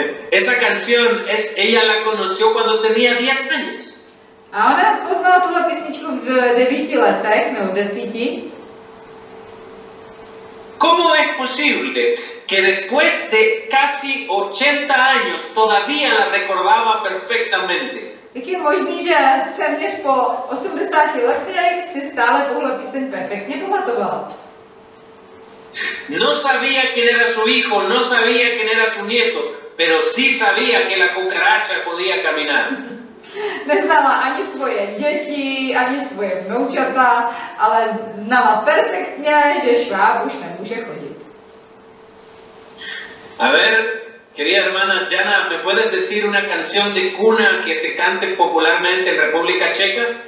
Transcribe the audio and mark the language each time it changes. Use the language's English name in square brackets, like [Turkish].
[Spanish] Esa canción es, ella la conoció cuando tenía 10 años. [Czech] A ona poznala tuhle písničku v 9 letech, nebo 10. [Spanish] ¿Cómo es posible que después de casi 80 años todavía la recordaba perfectamente? [Czech] Jak je možný, že téměř po 80 letech si stále tuhle písem perfektně pamatoval? [Spanish] No sabía quién era su hijo, no sabía quién era su nieto, pero sí sabía que la cucaracha podía caminar. [Czech] Neznala ani svoje děti, ani svoje vnoučata, ale znala perfektně, že šváb už nemůže chodit. [Spanish] A ver, querida hermana Jana, ¿me puedes decir una canción de cuna que se cante popularmente en República Checa?